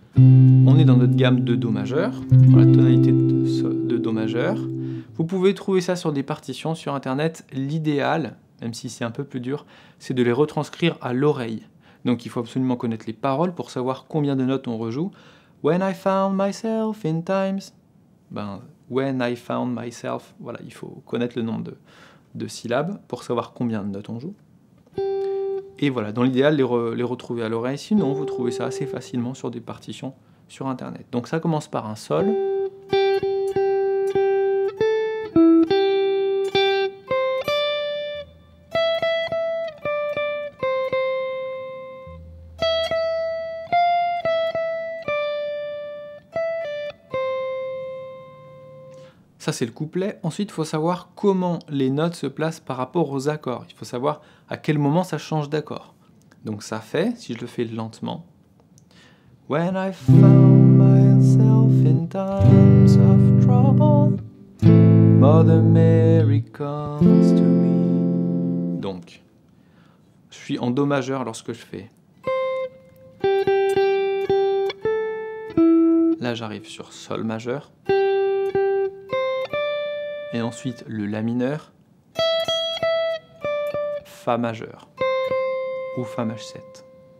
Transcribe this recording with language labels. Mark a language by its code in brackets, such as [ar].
[fr] On est dans notre gamme de Do majeur, dans la tonalité de Do majeur. Vous pouvez trouver ça sur des partitions sur internet. L'idéal, même si c'est un peu plus dur, c'est de les retranscrire à l'oreille. Donc il faut absolument connaître les paroles pour savoir combien de notes on rejoue. [en] When I found myself in times. [fr] Ben, [en] when I found myself, [fr] voilà, il faut connaître le nombre de syllabes pour savoir combien de notes on joue. Et voilà, dans l'idéal, les retrouver à l'oreille. Sinon, vous trouvez ça assez facilement sur des partitions sur Internet. Donc ça commence par un Sol. Ça, c'est le couplet. Ensuite, il faut savoir comment les notes se placent par rapport aux accords. Il faut savoir à quel moment ça change d'accord. Donc ça fait, si je le fais lentement. [en] When I found myself in times of trouble, Mother Mary comes to me. [fr] Donc, je suis en Do majeur lorsque je fais. Là, j'arrive sur Sol majeur. Et ensuite le La mineur, Fa majeur, ou Fa majeur 7.